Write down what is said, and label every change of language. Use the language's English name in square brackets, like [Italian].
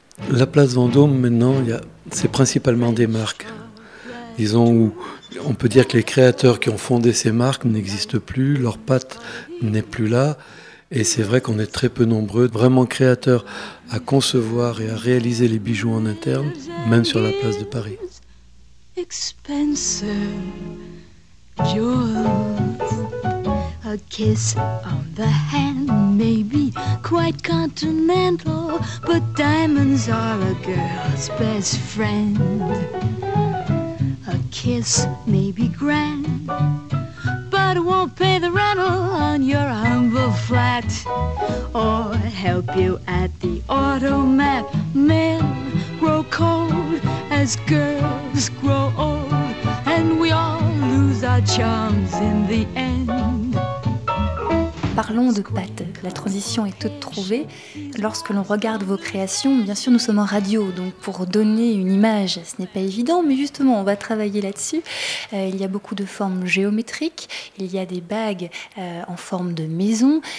[French] La place Vendôme, maintenant, c'est principalement des marques. Disons, où on peut dire que les créateurs qui ont fondé ces marques n'existent plus, leur patte n'est plus là. Et c'est vrai qu'on est très peu nombreux, vraiment créateurs, à concevoir et à réaliser les bijoux en interne, même sur la place de Paris. [English] Expensive jewels, a kiss on the hand may be quite continental, but diamonds are a girl's best friend. A kiss may be grand, but it won't pay the rental on your humble flat or help you at the automat. Men grow cold as girls grow old, and we all lose our charms in the end. [French] Parlons de pâte. La transition est toute trouvée. Lorsque l'on regarde vos créations, bien sûr, nous sommes en radio, donc pour donner une image, ce n'est pas évident, mais justement, on va travailler là-dessus. Il y a beaucoup de formes géométriques, il y a des bagues en forme de maison.